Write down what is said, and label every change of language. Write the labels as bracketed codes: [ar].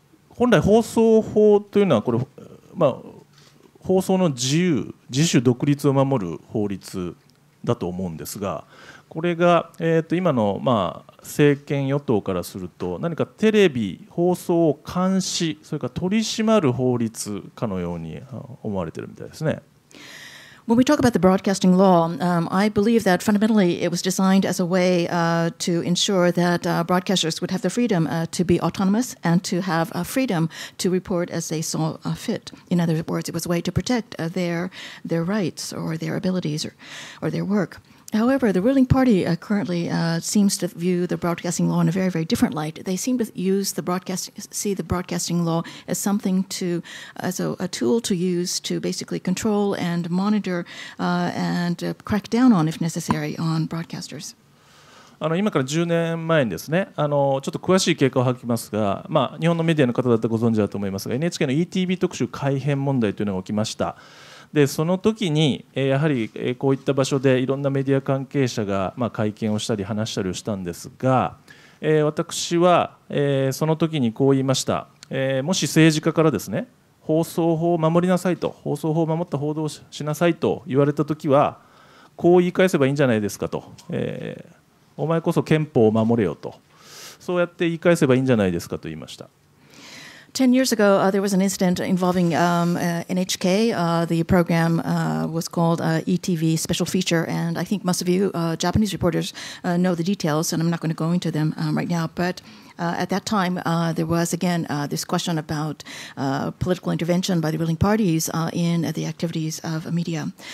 [ja] 本来放送法というのはこれ、まあ、放送の自由、自主独立を守る法律だと思うんですが、これが、今の、まあ、政権与党からすると何かテレビ放送を監視それから取り締まる法律かのように思われているみたいですね。 [en] When we talk about the broadcasting law, I believe that fundamentally it was designed as a way to ensure that broadcasters would have the freedom to be autonomous and to have freedom to report as they saw fit. In other words, it was a way to protect their rights or their abilities or their work. However, the ruling party currently seems to view the broadcasting law in a very, very different light. They seem to see the broadcasting law as something to, as a tool to use to basically control and monitor and crack down on, if necessary, on broadcasters. [ja] 今から10年前にですね、ちょっと詳しい経過を吐きますが、まあ、日本のメディアの方だったらご存知だと思いますが、NHK の ETV 特集改編問題というのが起きました。でその時にやはりこういった場所でいろんなメディア関係者が会見をしたり話したりをしたんですが、私はその時にこう言いました。もし政治家からですね、放送法を守りなさいと、放送法を守った報道をしなさいと言われた時はこう言い返せばいいんじゃないですかと、お前こそ憲法を守れよと、そうやって言い返せばいいんじゃないですかと言いました。 [en] 10 years ago, there was an incident involving NHK. The program was called ETV Special Feature. And I think most of you Japanese reporters know the details, and I'm not going to go into them right now. But at that time, there was, again, this question about political intervention by the ruling parties in the activities of media.